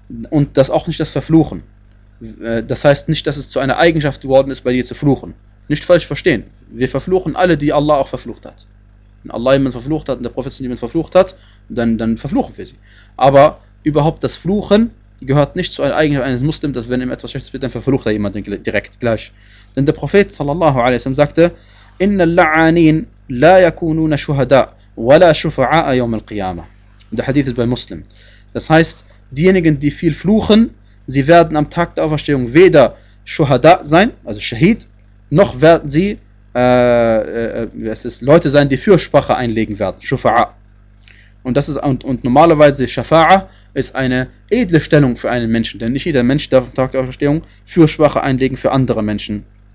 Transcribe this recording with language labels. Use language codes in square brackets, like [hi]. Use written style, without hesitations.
[de] Und das auch nicht das Verfluchen. Das heißt nicht, dass es zu einer Eigenschaft geworden ist, bei dir zu fluchen. Nicht falsch verstehen. Wir verfluchen alle, die Allah auch verflucht hat. Wenn Allah jemanden verflucht hat und der Prophet jemanden verflucht hat, dann verfluchen wir sie. Aber überhaupt das Fluchen gehört nicht zu einer Eigenschaft eines Muslims, dass wenn ihm etwas Schlechtes wird, dann verflucht er jemanden direkt gleich. Denn der Prophet sallallahu alaihi wasallam sagte, [ar] إِنَّ اللَّعَانِينَ لَا يَكُونُونَ شُهَدَاءَ وَلَا شُفَعَاءَ يَوْمَ الْقِيَامَةِ. [de] Der Hadith ist bei Muslim. Das heißt, diejenigen, die viel fluchen, sie werden am Tag der Auferstehung weder Shuhada sein, also Shahid, noch werden sie es ist Leute sein, die Fürsprache einlegen werden, Shufa'a. Und das ist und normalerweise Shafa'a ist eine edle Stellung für einen Menschen, denn nicht jeder Mensch darf am Tag der Auferstehung Fürsprache einlegen für andere Menschen.